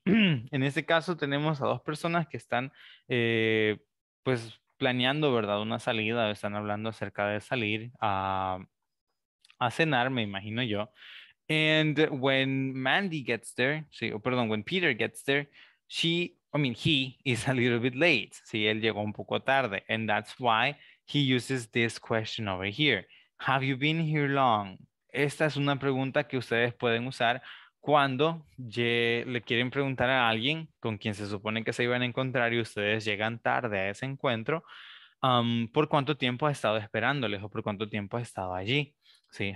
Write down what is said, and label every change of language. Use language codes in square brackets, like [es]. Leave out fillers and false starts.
[es] En este caso tenemos a dos personas que están pues planeando, ¿verdad? Una salida, están hablando acerca de salir a cenar, me imagino yo. [en] And when Mandy gets there, ¿sí? [es] Oh, perdón, [en] when Peter gets there, he is a little bit late. ¿Sí? [es] Él llegó un poco tarde. [en] And that's why he uses this question over here. Have you been here long? [es] Esta es una pregunta que ustedes pueden usar cuando le quieren preguntar a alguien con quien se supone que se iban a encontrar y ustedes llegan tarde a ese encuentro, ¿por cuánto tiempo ha estado esperándoles o por cuánto tiempo ha estado allí? ¿Sí?